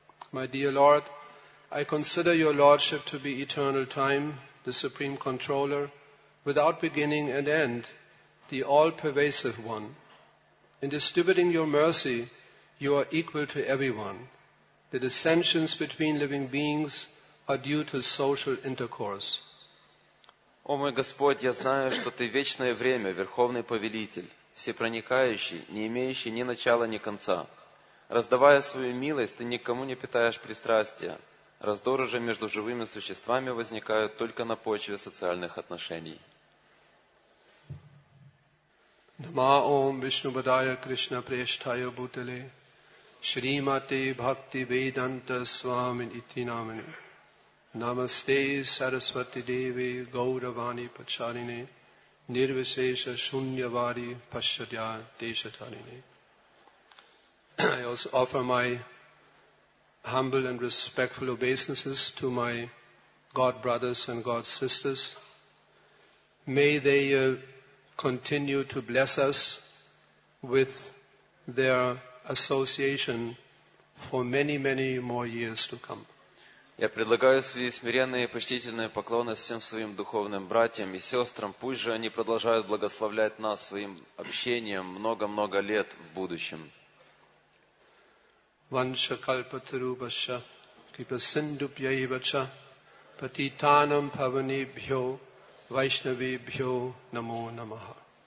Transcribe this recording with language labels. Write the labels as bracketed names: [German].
[English] My dear Lord, I consider your lordship to be eternal time, the supreme controller, without beginning and end, the all-pervasive one. In distributing your mercy, you are equal to everyone. The dissensions between living beings are due to social intercourse. [Russian] О мой Господь, я знаю, что Ты вечное время, Верховный Повелитель, всепроникающий, не имеющий ни начала, ни конца. Раздавая свою милость, Ты никому не питаешь пристрастия. Раздоры же между живыми существами возникают только на почве социальных отношений. [Sanskrit] Нама Ом Вишнубадая Кришна Прештая Бутале Шримате Бхакти Веданта Свамин Итинамане Намасте Сарасвати Деви Гауравани Пачарине Нирвисеша Шуньявари Пашчадья Дешатарине. [English] I also offer my humble and respectful obeisances to my God brothers and God sisters. May they continue to bless us with their association for many, many more years to come. [Russian] Я предлагаю свои смиренные и почтительные поклоны всем своим духовным братьям и сестрам. Пусть же они продолжают благословлять нас своим общением много-много лет в будущем. [Sanskrit] Ванша калпатарубаша кипасиндупьяйвача патитанам павани бхё вайшнави бхё намо намаха.